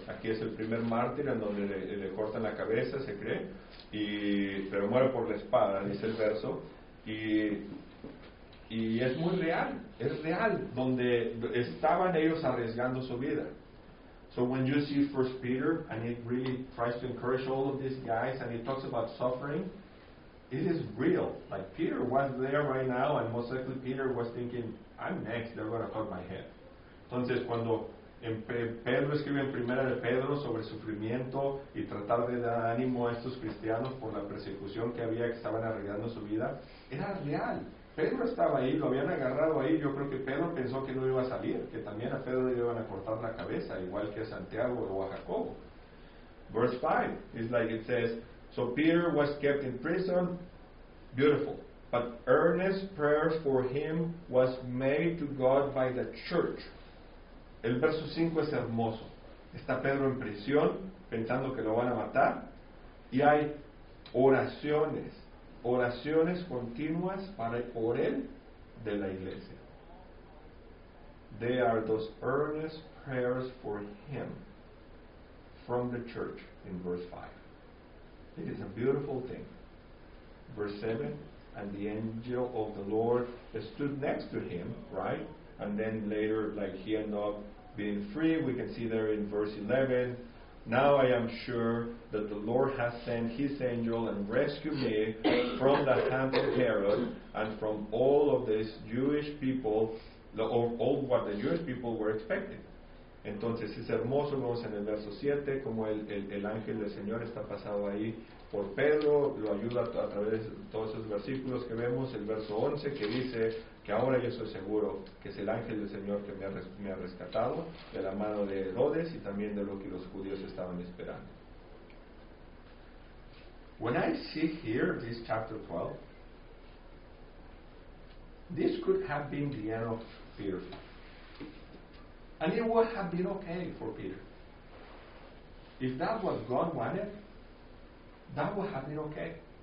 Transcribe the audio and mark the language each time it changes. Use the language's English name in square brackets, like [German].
[Spanish] Aquí es el primer mártir en donde le cortan la cabeza, se cree, pero muere por la espada, dice el verso. Y es muy real, es real, donde estaban ellos arriesgando su vida. [English] So when you see First Peter, and it really tries to encourage all of these guys, and it talks about suffering, it is real. Like, Peter was there right now, and most likely Peter was thinking, I'm next, they're going to cut my head. [Spanish] Entonces, cuando En Pedro escribe en Primera de Pedro sobre sufrimiento y tratar de dar ánimo a estos cristianos por la persecución que había, que estaban arriesgando su vida. Era real. Pedro estaba ahí, lo habían agarrado ahí. Yo creo que Pedro pensó que no iba a salir, que también a Pedro le iban a cortar la cabeza, igual que a Santiago o a Jacobo. [English] Verse 5, it's like it says, so Peter was kept in prison, beautiful, but earnest prayer for him was made to God by the church. [Spanish] El verso 5 es hermoso. Está Pedro en prisión, pensando que lo van a matar, y hay oraciones, oraciones continuas para por él de la iglesia. [English] They are those earnest prayers for him from the church in verse 5. It is a beautiful thing. Verse 7, and the angel of the Lord stood next to him, right? And then later, like, he ended up being free. We can see there in verse 11, now I am sure that the Lord has sent his angel and rescued me from the hand of Herod and from all of this Jewish people, all what the Jewish people were expecting. [Spanish] Entonces es hermoso, vemos en el verso 7 como el ángel del Señor está pasado ahí por Pedro, lo ayuda a través de todos esos versículos que vemos, el verso 11 que dice que ahora yo soy seguro que es el ángel del Señor que me ha rescatado de la mano de Herodes y también de lo que los judíos estaban esperando. [English] When I see here this chapter 12, this could have been the end of Peter. And it would have been okay for Peter. If that was God wanted, that would have been okay.